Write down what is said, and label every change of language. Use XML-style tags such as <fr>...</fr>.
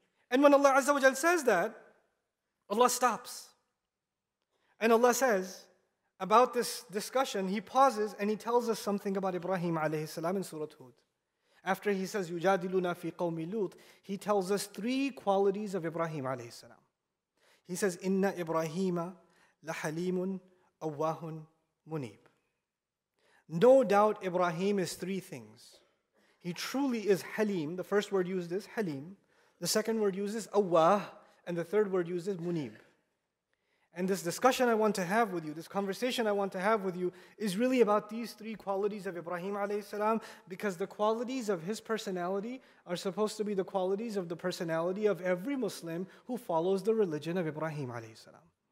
<en>And when Allah Azza wa Jal says that, Allah stops. And Allah says, about this discussion, he pauses and he tells us something about Ibrahim alayhi salam in Surah Hud. After he says,</en> <ar>يُجَادِلُونَ فِي قَوْمِ لُوت,</ar> <en>he tells us three qualities of Ibrahim alayhi salam. He says,</en> <ar>إِنَّ إِبْرَاهِيمَ لَحَلِيمٌ أَوَّاهٌ مُنِيبٌ.</ar> <en>No doubt Ibrahim is three things. He truly is Halim. The first word used is Halim. The second word used is Awwah. And the third word used is Munib. And this discussion I want to have with you, this conversation I want to have with you, is really about these three qualities of Ibrahim alayhi salam, because the qualities of his personality are supposed to be the qualities of the personality of every Muslim who follows the religion of Ibrahim alayhi salam.</en>